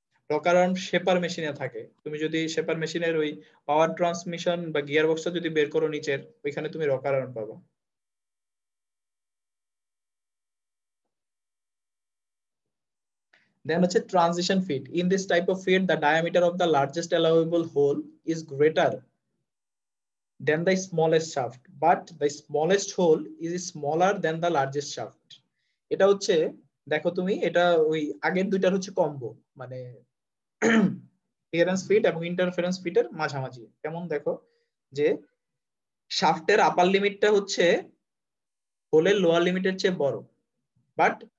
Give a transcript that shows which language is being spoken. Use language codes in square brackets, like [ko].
[bn] Rocker arm shaper মেশিনে থাকে তুমি যদি শেপার মেশিনের ওই পাওয়ার ট্রান্সমিশন বা গিয়ার বক্সটা যদি বের করো নিচের ওইখানে তুমি রকার আর্ম পাবা [en] Then it's a transition fit. In this type of fit, the diameter of the largest allowable hole is greater than the smallest shaft, but the smallest hole is smaller than the largest shaft. [bn] এটা হচ্ছে দেখো তুমি এটা ওই আগের দুইটার হচ্ছে combo মানে clearance fit এবং interference fit এর মাঝামাঝি কেমন দেখো যে শাফটের আপার লিমিটটা হচ্ছে হোলের লোয়ার লিমিটের চেয়ে বড় বাট